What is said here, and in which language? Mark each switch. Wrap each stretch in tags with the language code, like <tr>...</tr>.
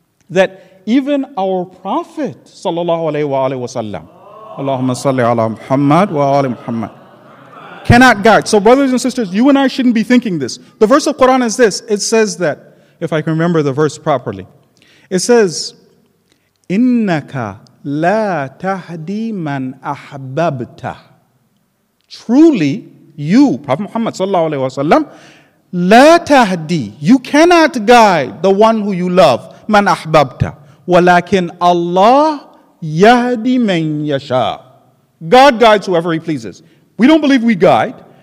<en>That even our Prophet, sallallahu alayhi wa sallam, Allahumma salli ala Muhammad wa ala Muhammad, cannot guide. So brothers and sisters, you and I shouldn't be thinking this. The verse of Quran is this. It says that, if I can remember the verse properly. It says,</en> <ar>إِنَّكَ لَا تَهْدِي مَنْ أَحْبَبْتَ.</ar> <en>Truly, you, Prophet Muhammad sallallahu alayhi wa sallam,</en> <ar>لَا تَهْدِي.</ar> <en>You cannot guide the one who you love,</en> <ar>مَنْ أَحْبَبْتَ. وَلَكِنْ اللَّهُ يَهْدِي مَنْ يَشَاءُ.</ar> <en>God guides whoever he pleases. We don't believe we guide.</en>